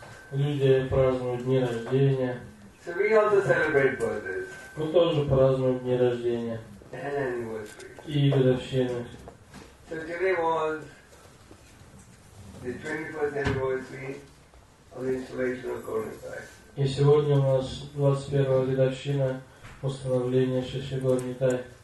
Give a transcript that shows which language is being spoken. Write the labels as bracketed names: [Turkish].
[Russian] Люди празднуют дни рождения. [English] So we also celebrate birthdays. [Russian] Мы тоже празднуем дни рождения. И годовщины. [English] So today was the 21st anniversary of the installation of Gor Nitai. [Russian] И сегодня у нас 21-я годовщина установления Шиши Гор Нитай.